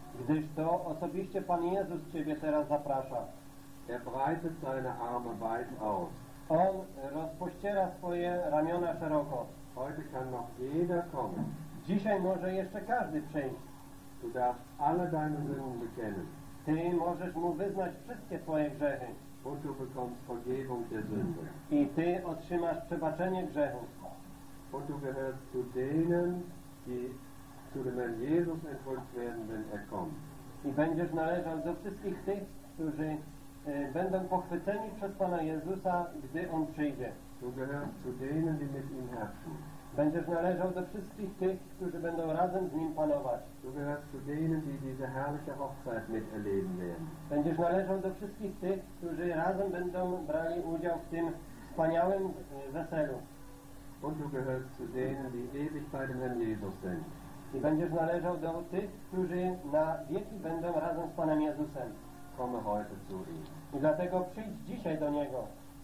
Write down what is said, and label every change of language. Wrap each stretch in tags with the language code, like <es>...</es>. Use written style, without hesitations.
<pl>Gdyż to osobiście Pan Jezus Ciebie teraz zaprasza.</pl> <de>Er breitet seine Arme weit aus.</de> <pl>On rozpościera swoje ramiona szeroko.</pl> <de>Heute kann noch jeder kommen.</de> <pl>Dzisiaj może jeszcze każdy przyjść.</pl> <de>Du darfst alle deine Sünden bekennen.</de> <pl>Ty możesz mu wyznać wszystkie twoje grzechy.</pl> <de>Und du bekommst Vergebung der Sünde.</de> <pl>I ty otrzymasz przebaczenie grzechu.</pl> <de>Und du gehörst zu denen, die zu dem Herrn Jesus entfolgt werden, wenn er kommt.</de> <pl>I będziesz należał do wszystkich tych, którzy będą pochwyceni przez Pana Jezusa, gdy On przyjdzie.</pl> <de>Du gehörst zu denen, die mit ihm herrschen.</de> <pl>Będziesz należał do wszystkich tych, którzy będą razem z Nim panować.</pl> <de>Du gehörst zu denen, die diese herrliche Hochzeit miterleben werden.</de> <pl>Będziesz należał do wszystkich tych, którzy razem będą brali udział w tym wspaniałym weselu.</pl> <de>Und du gehörst zu denen, die ewig bei dem Herrn Jesus sind.</de> <pl>I będziesz należał do tych, którzy na wieki będą razem z Panem Jezusem.</pl> <de>Komme heute zu ihm.</de> <pl>I dlatego przyjdź dzisiaj do Niego.</pl>